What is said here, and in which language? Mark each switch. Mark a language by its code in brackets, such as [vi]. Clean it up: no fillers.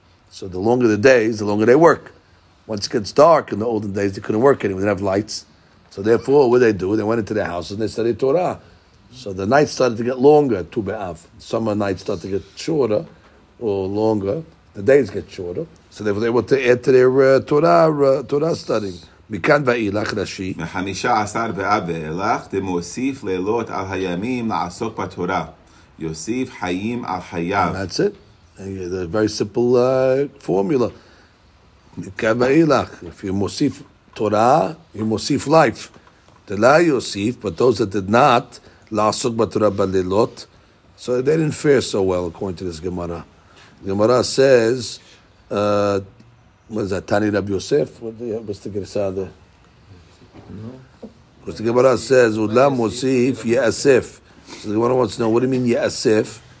[en] So the longer the days, the longer they work. Once it gets dark in the olden days, they couldn't work anymore, they didn't have lights. So therefore, what did they do? They went into their houses and they studied Torah. So the nights started to get longer, Tu Be'av. Summer nights start to get shorter, or longer. The days get shorter. So therefore, they were to add to their Torah studying. [he] מכאן ואילך ראשי. מחמישה עשר ואב ואילך, דמוסיף לילות על הימים לעסוק בתורה. יוסיף חיים על חייו. [en] That's it. A very simple formula. [he] מכאן ואילך. [en] If you [he] מוסיף תורה, [en] you [he] מוסיף [en] life. [he] דלא יוסיף, [en] but those that did not, [he] לעסוק בתורה בלילות. [en] So they didn't fare so well, according to this Gemara. Gemara says, what is that, Taanit Rabbi Yosef? What's the Gersa there? Because the Gemara says, [he] Udla Mosif Ye'asif. [en] So the Gemara wants to know, what do you mean Ye'asif?